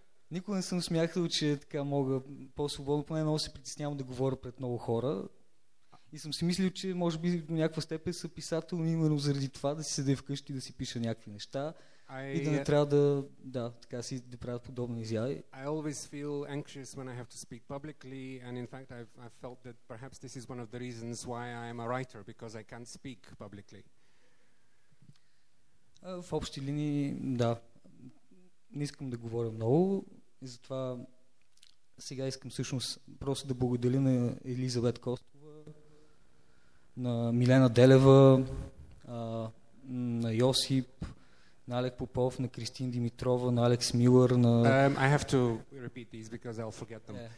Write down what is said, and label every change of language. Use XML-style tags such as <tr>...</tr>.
<bg>Никога не съм смятал, че така мога по-свободно, поне много се притеснявам да говоря пред много хора. И съм си мислил, че може би до някаква степен съм писател, именно заради това да си седе вкъщи и да си пиша някакви неща. И да не трябва да правят подобни изяви.</bg> <en>I always feel anxious when I have to speak publicly, and in fact I've felt that perhaps this is one of the reasons why I am a writer, because I can't speak publicly.</en> <bg>В общи линии, да. Не искам да говоря много, и затова сега искам всъщност просто да благодаря на Елизабет Костова, на Милена Делева, на Йосип, на Алек Попов, на Кристин Димитрова, на Алекс Милър, на...</bg> <en>I have to repeat these because I'll forget them.</en>